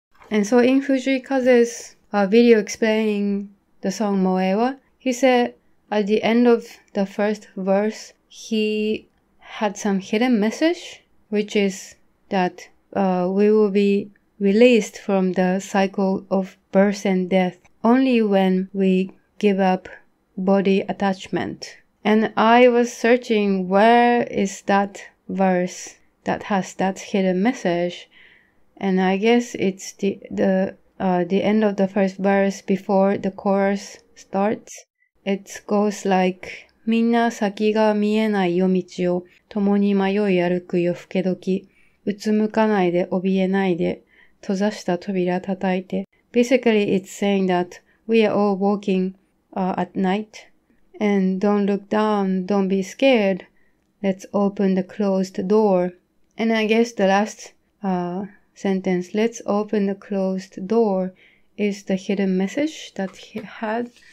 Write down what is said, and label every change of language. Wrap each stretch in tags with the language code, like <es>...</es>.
<en>And so in Fujii Kaze's video explaining the song もうええわ, he said at the end of the first verse, he had some hidden message, which is that we will be released from the cycle of birth and death only when we give up body attachment. And I was searching, where is that verse that has that hidden message? And I guess it's the end of the first verse before the chorus starts. It goes like,</en> <ja>みんな先が見えない夜道を共に迷い歩く夜更け時、うつむかないで怯えないで閉ざした扉叩いて。</ja> <en>Basically, it's saying that we are all walking at night. And don't look down, don't be scared. Let's open the closed door. And I guess the last sentence, let's open the closed door, is the hidden message that he had.</en>